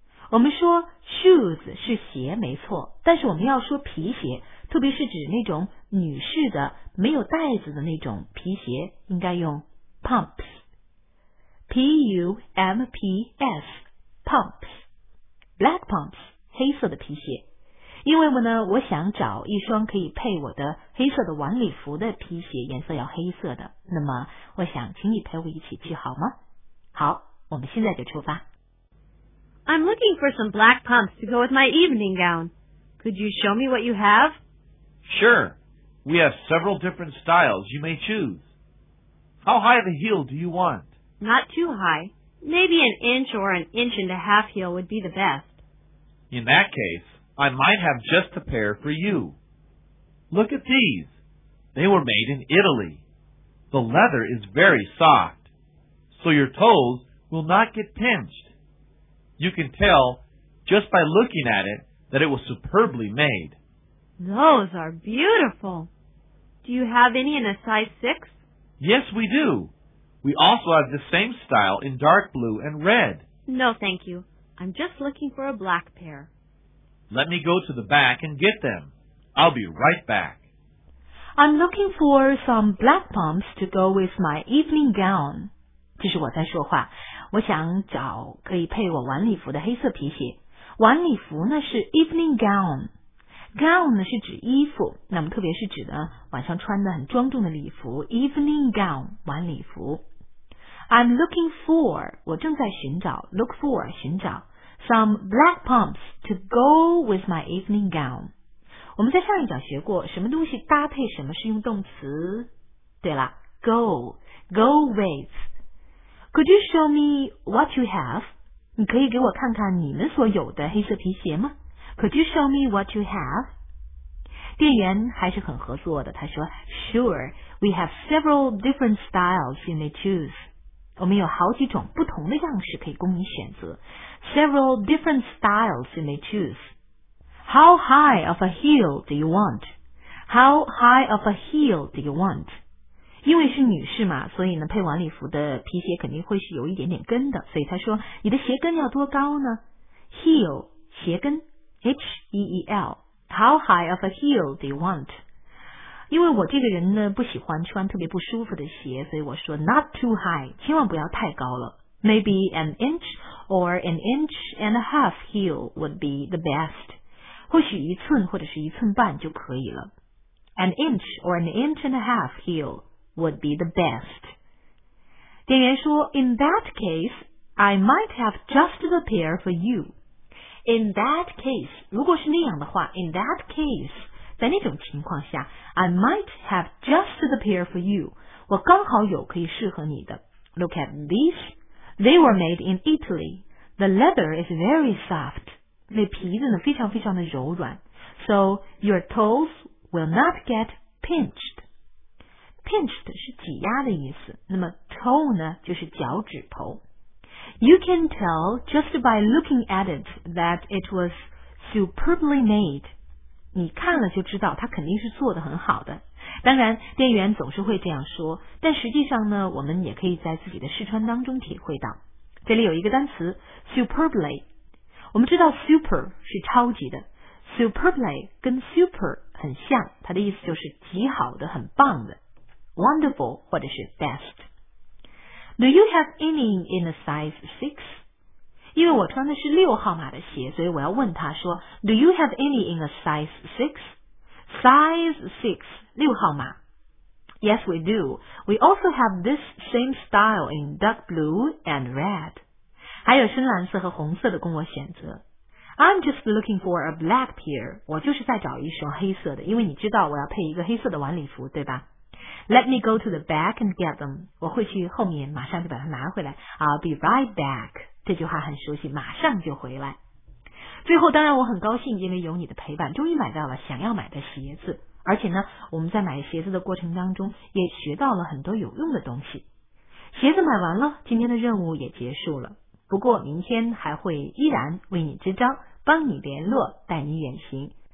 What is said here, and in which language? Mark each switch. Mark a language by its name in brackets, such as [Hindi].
[Chinese] 我们说 shoes 是鞋没错，但是我们要说皮鞋，特别是指那种女士的没有带子的那种皮鞋，应该用 pumps， p u m p s， pumps。 [English] Black pumps， [Chinese] 黑色的皮鞋。因为呢，我想找一双可以配我的黑色的晚礼服的皮鞋，颜色要黑色的。那么，我想请你陪我一起去好吗？好，我们现在就出发。 [English] I'm looking for some black pumps to go with my evening gown. Could you show me what you have? Sure. We have several different styles you may choose. How high of a heel do you want? Not too high. Maybe an inch or an inch and a half heel would be the best. In that case, I might have just the pair for you. Look at these. They were made in Italy. The leather is very soft, so your toes will not get pinched. You can tell just by looking at it that it was superbly made. Those are beautiful. Do you have any in a size 6? Yes, we do. We also have the same style in dark blue and red. No, thank you. I'm just looking for a black pair. Let me go to the back and get them. I'll be right back. I'm looking for some black pumps to go with my evening gown. [Chinese] 这是我在说话。我想找可以配我晚礼服的黑色皮鞋。晚礼服呢是 evening gown。Gown 呢是指衣服，那么特别是指呢晚上穿的很庄重的礼服 ，evening gown 晚礼服。 [English] I'm looking for [Chinese] 我正在寻找 [English] ，look for [Chinese] 寻找 [English] some black pumps to go with my evening gown。 [Chinese] 我们在上一讲学过，什么东西搭配什么是用动词。对了 [English] ，go with。Could you show me what you have？ [Chinese] 你可以给我看看你们所有的黑色皮鞋吗？ [English] Could you show me what you have? [Chinese] 店员还是很合作的，他说 [English] Sure, we have several different styles you may choose. [Chinese] 我们有好几种不同的样式可以供你选择。 [English] Several different styles you may choose. How high of a heel do you want? How high of a heel do you want? [Chinese] 因为是女士嘛，所以呢，配晚礼服的皮鞋肯定会是有一点点跟的，所以他说你的鞋跟要多高呢？ [English] Heel, [Chinese] 鞋跟 [English] H-E-E-L, how high of a heel do you want? [Chinese] 因为我这个人呢不喜欢穿特别不舒服的鞋，所以我说 [English] not too high, [Chinese] 千万不要太高了。 [English] Maybe an inch or an inch and a half heel would be the best. [Chinese] 或许一寸或者是一寸半就可以了。 [English] An inch or an inch and a half heel would be the best. [Chinese] 店员说 [English] in that case, I might have just the pair for you. In that case, [Chinese] 如果是那样的话 [English] ,in that case, [Chinese] 在那种情况下 [English] ,I might have just the pair for you, [Chinese] 我刚好有可以适合你的。 [English] Look at these, they were made in Italy, the leather is very soft, [Chinese] 那皮子呢非常非常的柔软 [English] ,so your toes will not get pinched. [Chinese] pinched 是挤压的意思，那么 toe 呢就是脚趾头。 [English] You can tell just by looking at it that it was superbly made. [Chinese] 你看了就知道它肯定是做得很好的。当然店员总是会这样说，但实际上呢我们也可以在自己的试穿当中体会到。这里有一个单词 superbly， 我们知道 super 是超级的， superbly 跟 super 很像，它的意思就是极好的，很棒的， wonderful 或者是 best。 [English] Do you have any in a size 6? [Chinese] 因为我穿的是6号码的鞋，所以我要问他说 [English] Do you have any in a size 6? Size 6, [Chinese] 6号码。 [English] Yes, we do. We also have this same style in dark blue and red. [Chinese] 还有深蓝色和红色的供我选择。 [English] I'm just looking for a black pair. [Chinese] 我就是在找一双黑色的，因为你知道我要配一个黑色的晚礼服，对吧？ [English] Let me go to the back and get them. [Chinese] 我会去后面马上就把它拿回来。 [English] I'll be right back. [Chinese] 这句话很熟悉，马上就回来。最后当然我很高兴，因为有你的陪伴终于买到了想要买的鞋子。而且呢我们在买鞋子的过程当中也学到了很多有用的东西。鞋子买完了，今天的任务也结束了。不过明天还会依然为你支招，帮你联络，带你远行。